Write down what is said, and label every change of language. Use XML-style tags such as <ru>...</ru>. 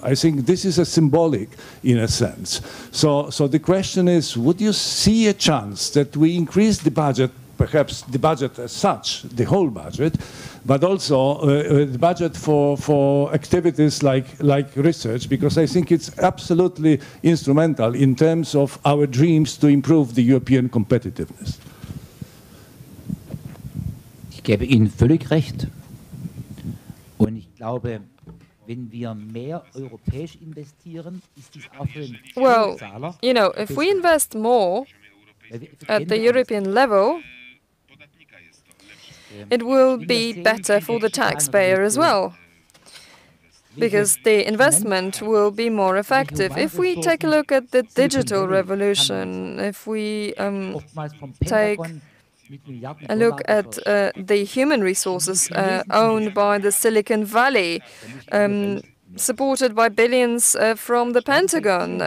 <en>I think this is a symbolic, in a sense. So the question is, would you see a chance that we increase the budget, perhaps the budget as such, the whole budget, but also the budget for activities like research, because I think it's absolutely instrumental in terms of our dreams to improve the European competitiveness.</en> <de>Ich gebe Ihnen völlig recht. Und ich glaube, wenn wir mehr europäisch investieren, ist dies auch für den Zahler.</de> <en>Well, you know, if we invest more at the European level, it will be better for the taxpayer as well, because the investment will be more effective. If we take a look at the digital revolution, if we take a look at the human resources owned by the Silicon Valley, supported by billions from the Pentagon.</en>